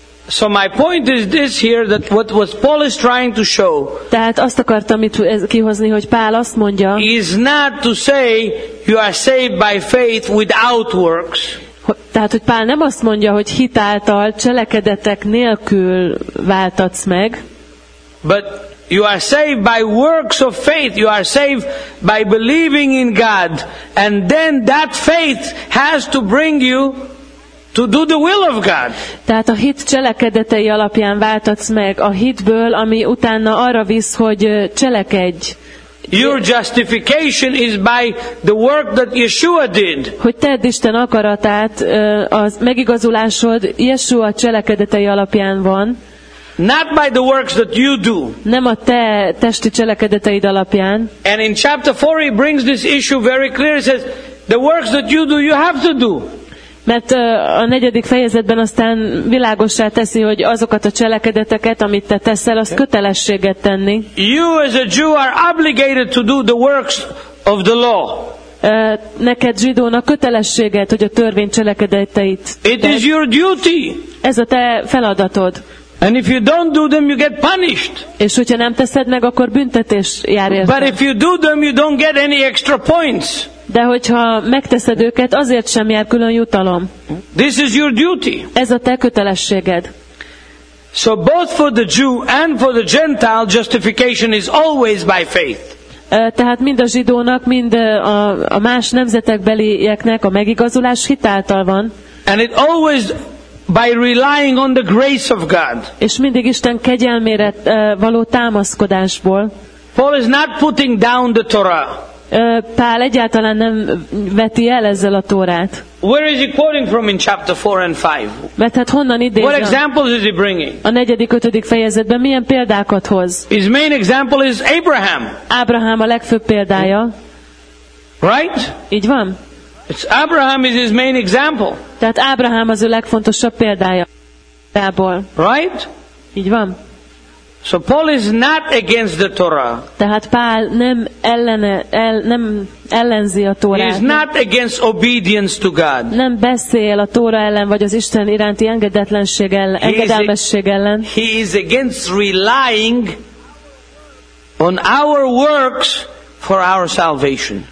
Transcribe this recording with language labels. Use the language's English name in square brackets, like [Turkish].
[English] So my point is this here, that what Paul is trying to show. [Hungarian] Tehát azt akartam itt kihozni, hogy Pál azt mondja. [English] Is not to say you are saved by faith without works. [Hungarian] Tehát hogy Pál nem azt mondja, hogy hit által, cselekedetek nélkül váltatsz meg. [English] But You are saved by works of faith. You are saved by believing in God. And then that faith has to bring you to do the will of God. [Hungarian] Tehát a hit cselekedetei alapján váltatsz meg a hitből, ami utána arra visz, hogy cselekedj. [English] Your justification is by the work that Yeshua did. [Hungarian] Hogy tedd Isten akaratát, az megigazulásod Yeshua cselekedetei alapján van. [English] Not by the works that you do. [Hungarian] Nem a te testi cselekedeteid alapján. [English] And in chapter 4 he brings this issue very clear. He says, the works that you do, you have to do. [Hungarian] Mert a negyedik fejezetben aztán világossá teszi, hogy azokat a cselekedeteket, amit te teszel, azt kötelességet tenni. [English] You as a Jew are obligated to do the works of the law. [Hungarian] Neked zsidónak kötelességed, hogy a törvény cselekedeteit. [English] It is your duty. [Hungarian] Ez a te feladatod. [English] And if you don't do them, you get punished. [Hungarian] És hogyha nem teszed meg, akkor büntetés jár érte. [English] But if you do them, you don't get any extra points. [Hungarian] De hogyha megteszed őket, azért sem jár külön jutalom. [English] This is your duty. [Hungarian] Ez a te kötelességed. [English] So both for the Jew and for the Gentile, justification is always by faith. [Hungarian] Tehát mind a zsidónak, mind a más nemzetekbelieknek a megigazulás hitáltal van. [English] And it always by relying on the grace of God. [Hungarian] És mindig Isten kegyelmére való támaszkodásból. [English] Paul is not putting down the Torah. [Hungarian] Pál egyáltalán nem veti el ezzel a Tórát. [English] Where is he quoting from in chapter 4 and 5? [Hungarian] Mert hát honnan idéz? [English] What examples is he bringing? [Hungarian] A negyedik, ötödik fejezetben milyen példákat hoz? [English] His main example is Abraham. [Hungarian] Ábrahám a legfőbb példája. [English] Right? [Hungarian] Így van. [English] It's Abraham is his main example. [Hungarian] Tehát Ábrahám az ő legfontosabb példája. [English] Right? [Hungarian] Így van. [English] So Paul is not against the Torah. [Hungarian] Tehát Pál nem ellene, nem ellenzi a Tórát. [English] He is not against obedience to God. [Hungarian] Nem beszél a Tóra ellen, vagy az Isten iránti engedetlenség ellen, engedelmesség ellen. [English] He is against relying on our works for our salvation.